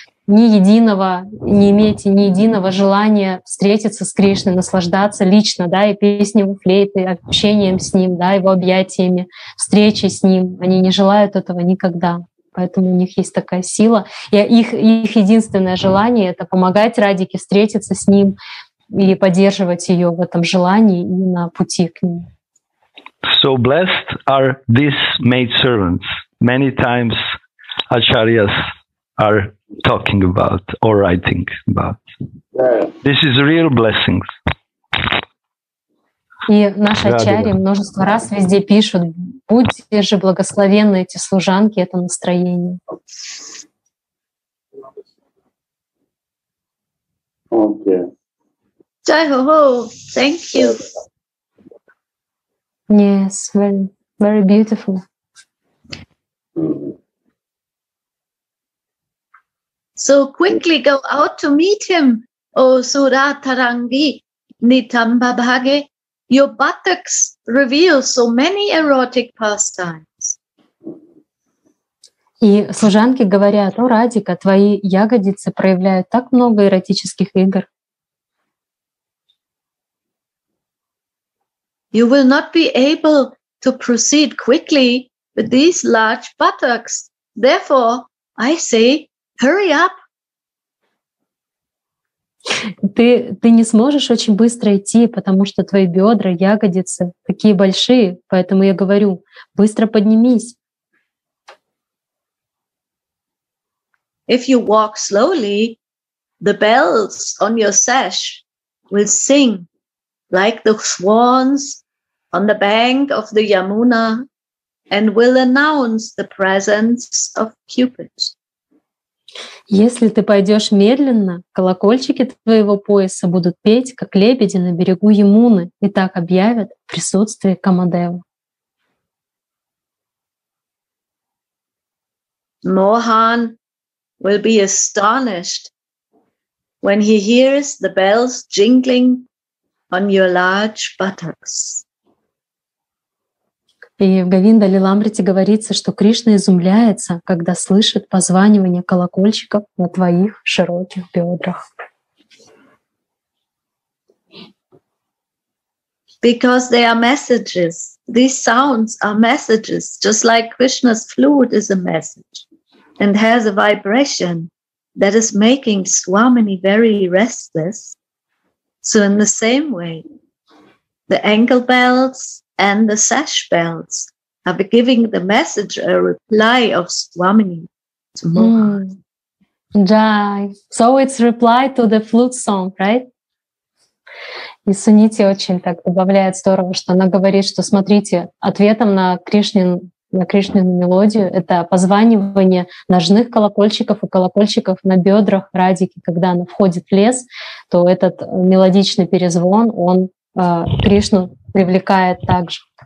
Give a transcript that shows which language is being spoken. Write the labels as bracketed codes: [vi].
[ru] ни единого, не имеете ни единого желания встретиться с Кришной, наслаждаться лично, да, и песней у флейты, общением с ним, да, его объятиями, встречей с ним. Они не желают этого никогда. Поэтому у них есть такая сила. И их единственное желание — это помогать Радике встретиться с ним и поддерживать ее в этом желании и на пути к ним. [en] So blessed are these maid servants. Many times acharyas are talking about or writing about. This is real blessing. [ru] И наши ачарьи множество раз везде пишут: будьте же благословенны эти служанки, это настроение. [en] Okay. Jai-ho-ho, thank you. Yes, very, very beautiful. So quickly go out to meet him, O Sura Tarangi Nitamba Bhage. Your buttocks reveal so many erotic pastimes. [ru] И служанки говорят: о, Радика, твои ягодицы проявляют так много эротических игр. [en] You will not be able to proceed quickly with these large buttocks. Therefore, I say, hurry up. [ru] Ты не сможешь очень быстро идти, потому что твои бедра, ягодицы такие большие, поэтому я говорю: быстро поднимись. [en] If you walk slowly, the bells on your sash will sing like the swans on the bank of the Yamuna and will announce the presence of Cupid. [ru] Если ты пойдешь медленно, колокольчики твоего пояса будут петь, как лебеди на берегу Ямуны, и так объявят присутствие Камадева. [en] Mohan will be astonished when he hears the bells jingling on your large buttocks. [ru] И в Говинда Лиламрите говорится, что Кришна изумляется, когда слышит позванивание колокольчиков на твоих широких бедрах. [en] Because they are messages. These sounds are messages, just like Krishna's flute is a message and has a vibration that is making Swamini very restless. So in the same way, the ankle bells and the sash bells are giving the message a reply of Swamini to Mohan. Jai. So it's reply to the flute song, right? [ru] И Сунити очень так добавляет здорово, что она говорит, что смотрите, ответом на Кришнину мелодию это позванивание ножных колокольчиков и колокольчиков на бедрах Радики, когда она входит в лес, то этот мелодичный перезвон, он Кришну привлекает также.